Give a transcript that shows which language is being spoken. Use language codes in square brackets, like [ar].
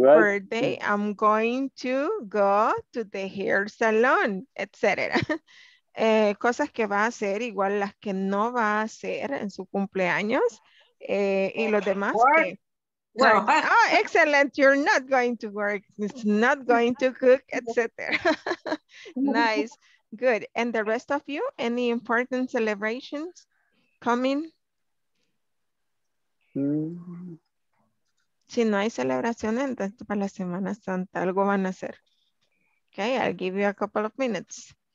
[en] birthday, I'm going to go to the hair salon, etc. [es] Cosas que va a hacer, igual las que no va a hacer en su cumpleaños. Y los demás. [en] Well, oh, excellent. You're not going to work. It's not going to cook, etc. Nice. Good. And the rest of you, any important celebrations coming? [es] Si no hay celebraciones, entonces para la Semana Santa, algo van a hacer. [en] Okay, I'll give you a couple of minutes.